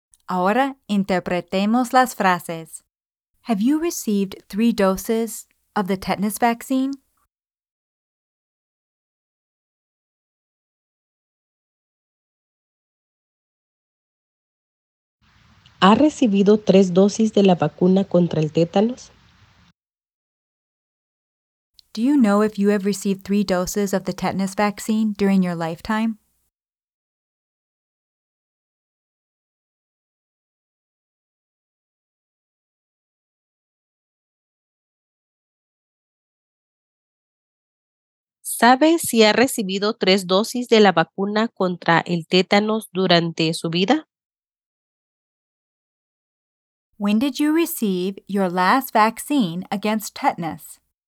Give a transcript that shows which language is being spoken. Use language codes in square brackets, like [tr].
[es] Ahora interpretemos las frases. [en] Have you received 3 doses of the tetanus vaccine? [es] ¿Ha recibido 3 dosis de la vacuna contra el tétanos? [en] Do you know if you have received 3 doses of the tetanus vaccine during your lifetime? [es] ¿Sabe si ha recibido 3 dosis de la vacuna contra el tétanos durante su vida? [en] When did you receive your last vaccine against tetanus?